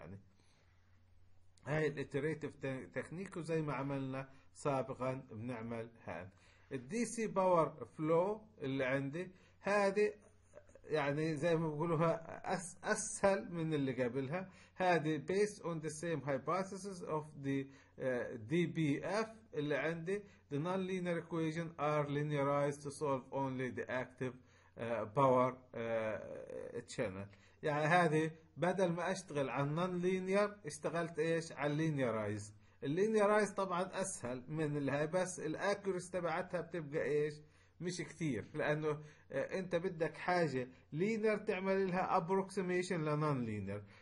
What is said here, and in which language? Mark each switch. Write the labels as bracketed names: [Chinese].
[Arabic] يعني هاي الاتريتف تكنيك وزي ما عملنا سابقا بنعمل هان الدي سي باور فلو اللي عندي هذه يعني زي ما بقولوها أسهل من اللي قبلها. هذه [English] based on the same hypothesis of the DBF [Arabic] اللي عندي [English] the non-linear equation are linearized to solve only the active power channel. [Arabic] يعني هذه بدل ما أشتغل على non-linear اشتغلت إيش على linearized. linearized طبعا أسهل من اللي هاي بس الأكيرسي تبعتها بتبقى إيش مش كتير لانه انت بدك حاجة لينر تعمل لها approximation لنون لينر.